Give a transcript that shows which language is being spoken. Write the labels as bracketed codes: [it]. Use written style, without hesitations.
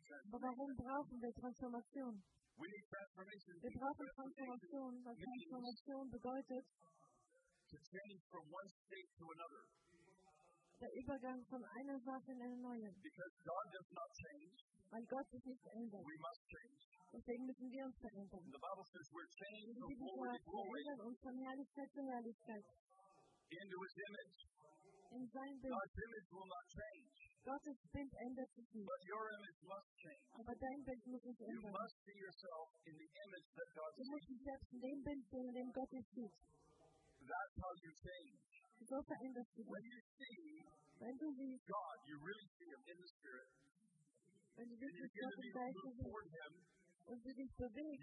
[de] Aber warum brauchen wir Transformation? [en] We need transformation. [de] Wir brauchen Transformation, weil Transformation bedeutet, [en] to change from one state to another. [de] Der Übergang von einer Sache in eine neue. [en] Because God does not change, [de] weil Gott sich nicht ändert. [en] We must change. [de] Deswegen müssen wir uns verändern. [en] The Bible says we're changed from glory to glory. [de] Und von Herrlichkeit zu Herrlichkeit. [en] Into his image. [de] In sein Bild. [en] God's image will not change. [de] Gottes Bild ändert sich nicht. [en] But your image must change. [de] Aber dein Bild muss sich [en] you [de] ändern. [en] You must see yourself in the image that God sees. [de] Du musst dich selbst in dem Bild sehen, in dem Gott dich sieht. [en] That's how you change. [de] So verändert sich. [en] When you see, [de] wenn du siehst, [en] God, you really see him in the Spirit. [de] Wenn du siehst, dass Gott im Geist ist, und du dich bewegst,